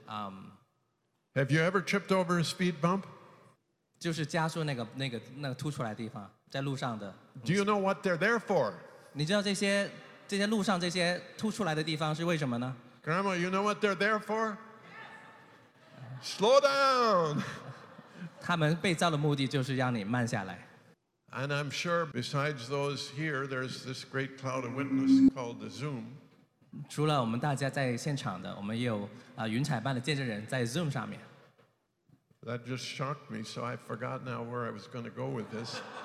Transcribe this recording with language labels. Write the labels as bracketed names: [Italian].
[English] Have you ever tripped over a speed bump? [Chinese] 就是加速那个凸出来的地方, 在路上的, [English] Do you know what they're there for? [Chinese] 你知道这些路上这些凸出来的地方是为什么呢? [English] Grandma, you know what they're there for? Slow down! [Chinese] 他们被造的目的就是让你慢下来。 [English] And I'm sure besides those here, there's this great cloud of witnesses called the Zoom. [Chinese] 除了我们大家在现场的, 我们也有, 云彩般的见证人在Zoom上面。 [English] That just shocked me, so I forgot now where I was going to go with this.